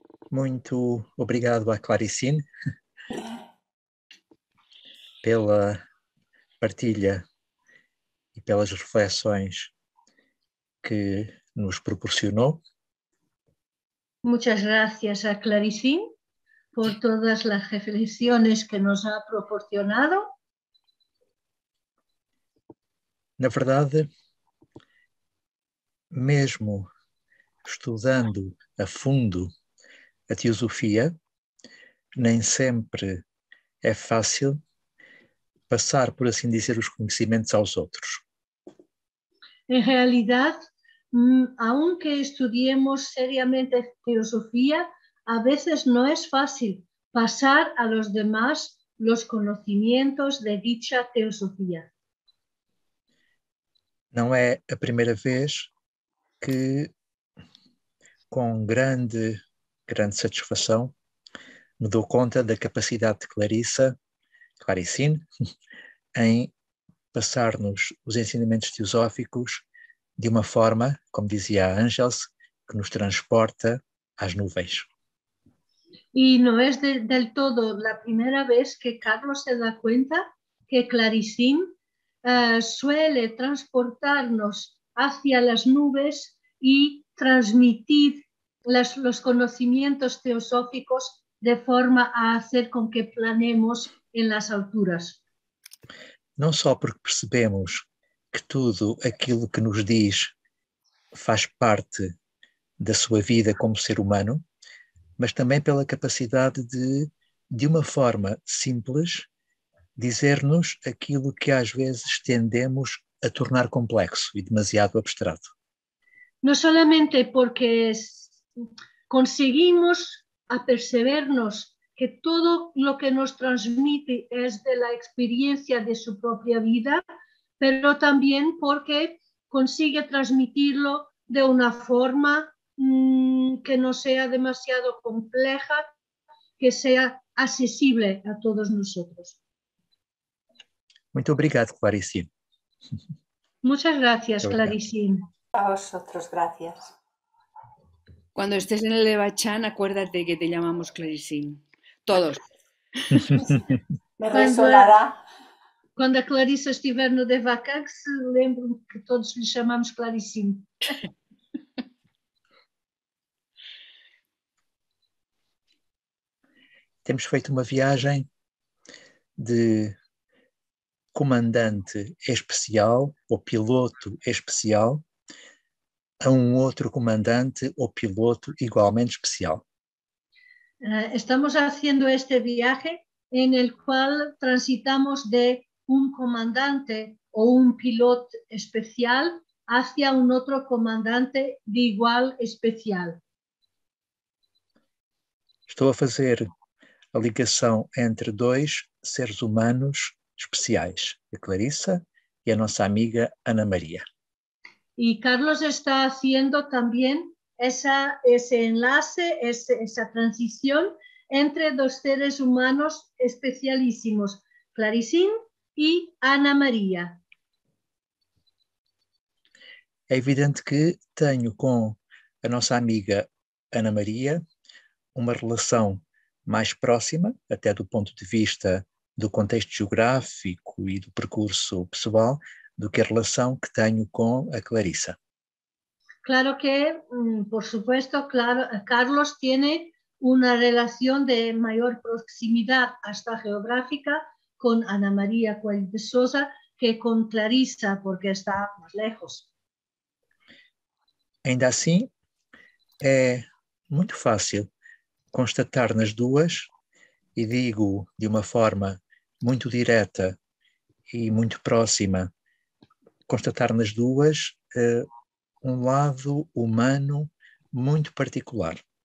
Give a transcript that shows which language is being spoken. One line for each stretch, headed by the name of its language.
Portuguese: Muito obrigado à Claricine pela partilha e pelas reflexões que nos proporcionou.
Spanish: Muchas gracias a Clarisín por todas las reflexiones que nos ha proporcionado.
Portuguese: Na verdade, mesmo estudando a fundo a teosofia, nem sempre é fácil passar, por assim dizer, os conhecimentos aos outros.
Spanish: En realidad, aunque estudiemos seriamente teosofía, a veces no es fácil pasar a los demás los conocimientos de dicha teosofía.
Portuguese: Não é a primeira vez que, com grande, grande satisfação, me dou conta da capacidade de Clarissine, em passar-nos os ensinamentos teosóficos de uma forma, como dizia a Ângels, que nos transporta às nuvens.
Spanish: Y no es del todo la primera vez que Carlos se da cuenta que Clarisín suele transportarnos hacia las nubes y transmitir los conocimientos teosóficos de forma a hacer con que planemos en las alturas.
Portuguese: Não só porque percebemos que tudo aquilo que nos diz faz parte da sua vida como ser humano, mas também pela capacidade de uma forma simples, dizer-nos aquilo que às vezes tendemos a tornar complexo e demasiado abstrato.
Spanish: No solamente porque conseguimos apercibirnos que todo lo que nos transmite es de la experiencia de su propia vida, pero también porque consigue transmitirlo de una forma que no sea demasiado compleja, que sea accesible a todos nosotros.
Portuguese: Muito obrigado, Clarice.
Spanish: Muchas gracias,
Portuguese: Muito obrigado.
Spanish: Clarisín. A vosotros, gracias. Cuando estés en el Devachan, acuérdate que te llamamos Clarisín. Todos. Me resonará.
Portuguese: Cuando a Clarissa estiver no Devacax, lembro-me que todos lhe chamamos Clarisín. Temos feito uma viagem de comandante especial ou piloto especial a um outro comandante ou piloto igualmente especial.
Spanish: Estamos haciendo este viaje en el cual transitamos de un comandante o un piloto especial hacia un otro comandante de igual especial.
Portuguese: Estou a fazer a ligação entre dois seres humanos especiais, a Clarissa e a nossa amiga Ana Maria.
Spanish: Y Carlos está haciendo también ese enlace, esa transición entre dos seres humanos especialísimos, Clarisín y Ana María.
Portuguese: É evidente que tenho com a nossa amiga Ana Maria uma relação mais próxima, até do ponto de vista do contexto geográfico e do percurso pessoal, do que a relação que tenho com a Clarissa.
Spanish: Claro que, por supuesto, claro, Carlos tiene una relación de mayor proximidad hasta geográfica con Ana María Cuello de Sosa que con Clarissa, porque está más lejos.
Portuguese: Ainda assim, é muito fácil constatar nas duas, e digo de uma forma muito direta e muito próxima, constatar nas duas um lado humano muito particular.